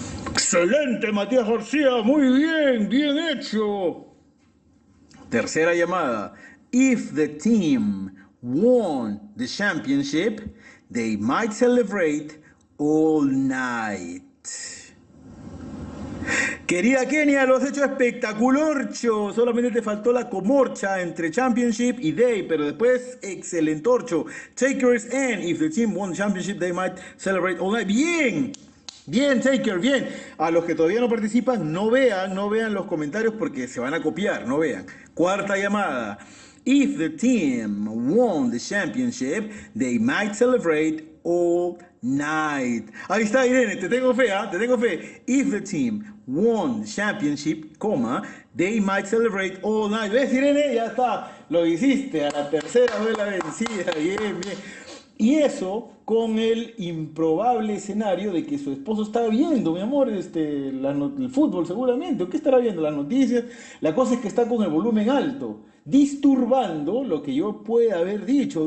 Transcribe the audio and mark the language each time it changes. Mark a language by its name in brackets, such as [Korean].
[Spanish] Excelente, Matías García. Muy bien, bien hecho. Tercera llamada. [English] If the team won the championship, they might celebrate all night. [Spanish] Querida Kenia, lo has hecho espectacularcho. Solamente te faltó la comorcha entre championship y day, pero después excelentorcho. [English] Takers, and if the team won the championship, they might celebrate all night. [Spanish] Bien, bien, Taker, bien. A los que todavía no participan, no vean los comentarios porque se van a copiar, no vean. Cuarta llamada. [English] If the team won the championship, they might celebrate all night. Night. [Spanish] Ahí está, Irene, te tengo fe, ¿eh? Te tengo fe. [English] If the team won the championship, they might celebrate all night. [Spanish] ¿Ves, Irene? Ya está. Lo hiciste. A la tercera fue la vencida. Bien, bien. Y eso con el improbable escenario de que su esposo está viendo, mi amor, el fútbol seguramente. ¿O qué estará viendo? Las noticias. La cosa es que está con el volumen alto, disturbando lo que yo pueda haber dicho.